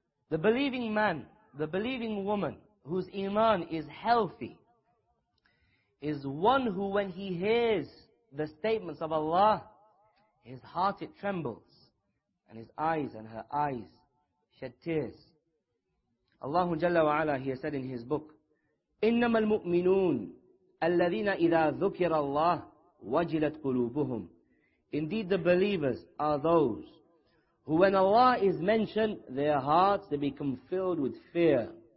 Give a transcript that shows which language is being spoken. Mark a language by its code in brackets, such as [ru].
[en] The believing man, the believing woman, whose iman is healthy, is one who when he hears the statements of Allah, his heart it trembles, and his eyes and her eyes shed tears. Allah Jalla wa'ala, he has said in his book, [ar] إنما المؤمنون الذين إذا ذكر الله وجلت قلوبهم. [en] Indeed, the believers are those who, when Allah is mentioned, their hearts, they become filled with fear.